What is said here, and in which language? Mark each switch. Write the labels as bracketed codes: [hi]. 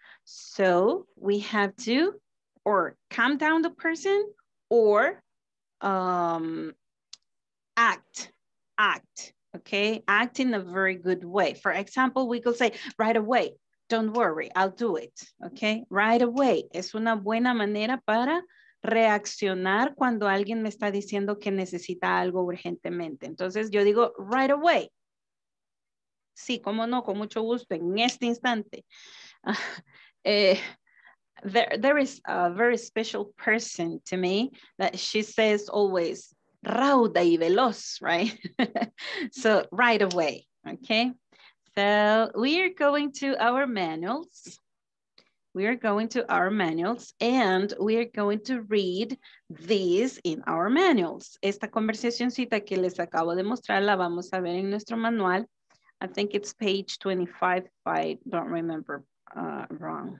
[en] So we have to or calm down the person or act, okay? Act in a very good way. For example, we could say right away, don't worry, I'll do it, okay? Right away, [es] es una buena manera para reaccionar cuando alguien me está diciendo que necesita algo urgentemente. Entonces yo digo, [en] right away. [es] Sí, cómo no, con mucho gusto, en este instante. [en] There is a very special person to me that she says always, [es] rauda y veloz, [en] right? So, right away, okay? So, we are going to our manuals. We are going to our manuals and we are going to read these in our manuals. [es] Esta conversacioncita que les acabo de mostrar la vamos a ver en nuestro manual. [en] I think it's page 25, if I don't remember wrong.